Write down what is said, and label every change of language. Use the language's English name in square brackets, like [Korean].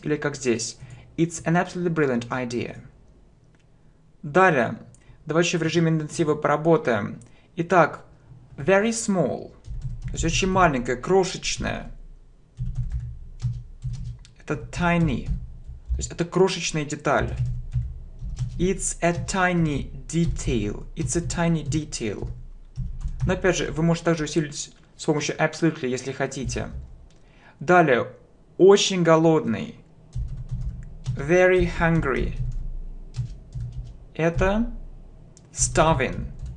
[Russian] Или как здесь, [English] it's an absolutely brilliant idea. [Russian] Далее, давайте еще в режиме интенсива поработаем. Итак, very small, то есть очень маленькая, крошечная. Это tiny, то есть это крошечная деталь. [English] It's a tiny detail, it's a tiny detail. [Russian] Но опять же, вы можете также усилить с помощью absolutely, если хотите. Далее, очень голодный. [English] Very hungry. [Russian] Это starving.